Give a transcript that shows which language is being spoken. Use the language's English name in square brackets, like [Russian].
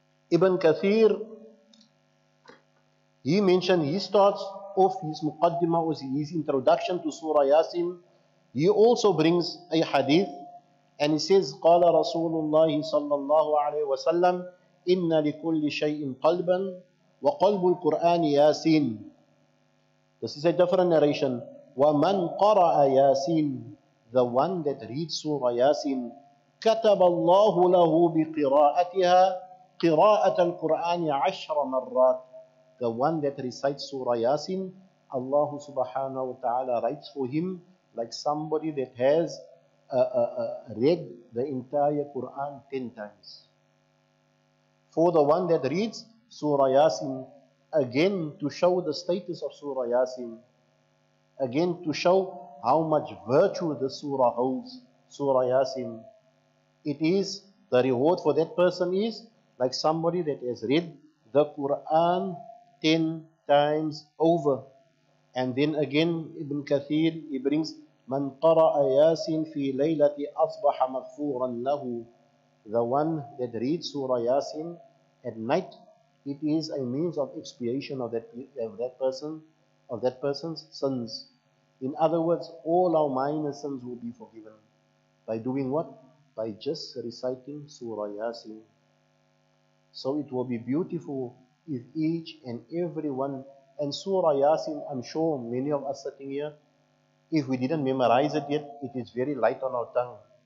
[English] Ibn Kathir, he mentioned, he starts off his muqaddimah, was his introduction to Surah Yasin. He also brings a hadith and he says, Qala Rasulullah sallallahu alayhi wa sallam, [Arabic] إِنَّ لِكُلِّ شَيْءٍ قَلْبًا وَقَلْبُ الْقُرْآنِ يَاسِينَ. [English] This is a different narration. [Arabic] وَمَنْ قَرَأَ يَاسِينَ, [English] the one that reads Surah Yasin, [Arabic] كَتَبَ اللَّهُ لَهُ بِقِرَاءَتِهَا قِرَاءَةَ الْقُرْآنِ عَشْرَ مَرَّاتٍ. [English] The one that recites Surah Yasin, Allah subhanahu wa ta'ala writes for him like somebody that has read the entire Quran 10 times. For the one that reads Surah Yasin, again to show the status of Surah Yasin, again to show how much virtue the surah holds, Surah Yasin. It is, the reward for that person is like somebody that has read the Quran 10 times over. And then again, Ibn Kathir, he brings, [Arabic] من قرأ ياسين في ليلة أصبح مغفورا له. [English] The one that reads Surah Yasin at night, it is a means of expiation of that person's sins. In other words, all our minor sins will be forgiven by doing what? by just reciting Surah Yasin. So it will be beautiful if each and every one, and Surah Yasin, I'm sure many of us sitting here, if we didn't memorize it yet, it is very light on our tongue.